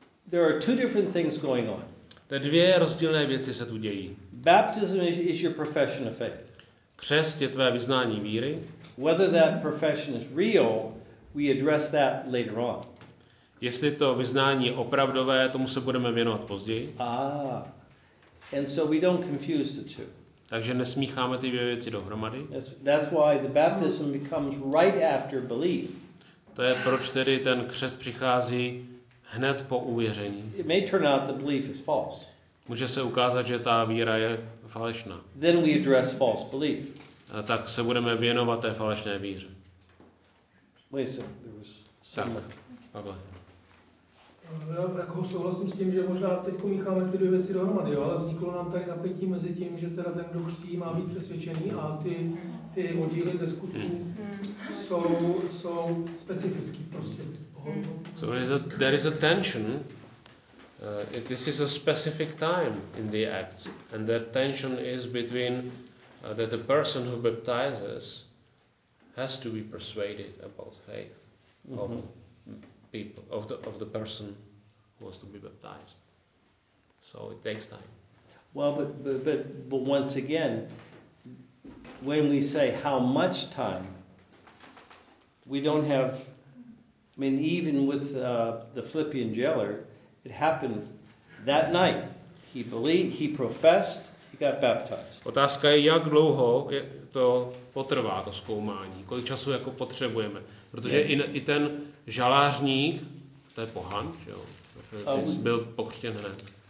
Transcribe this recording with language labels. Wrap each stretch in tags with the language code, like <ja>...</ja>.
<en>There are two different things going on.</en> <cs>Te dvě rozdílné věci se tu dějí.</cs> <en>Baptism is your profession of faith.</en> <cs>Křest je tvé vyznání víry.</cs> <en>Whether that profession is real, we address that later on.</en> <cs>Jestli to vyznání je opravdové, tomu se budeme věnovat později.</cs> <en>And so we don't confuse the two.</en> <cs>Takže nesmícháme ty dvě věci dohromady.</cs> <en>That's why the baptism becomes right after belief.</en> <cs>To je proč tedy ten křest přichází hned po uvěření.</cs> <en>It may turn out that belief is false.</en> <cs>Může se ukázat, že ta víra je falešná.</cs> <en>Then we address false belief.</en> <cs>A tak se budeme věnovat té falešné víře.</cs> <en>Wait a second, there was some. Pavle.</en> <cs>Jako souhlasím s tím, že možná teď mícháme ty dvě věci dohromady, ale vzniklo nám tady napětí mezi tím, že teda ten, kdo křtí, má být přesvědčený a ty oddíly ze skutků jsou specifický prostě.</cs> <en>So there is a tension. This is a specific time in the Acts, and that tension is between that the person who baptizes has to be persuaded about faith of people of the person who was to be baptized. So it takes time. Well, but once again, when we say how much time, we don't have. I mean, even with the Philippian jailer, it happened that night. He believed, he professed, he got baptized.</en> <cs>Otázka je, jak dlouho je to potrvá, to zkoumání, kolik času jako potřebujeme. Protože i ten žalářník, to je pohan, že jo, byl pokřtěn hned.</cs>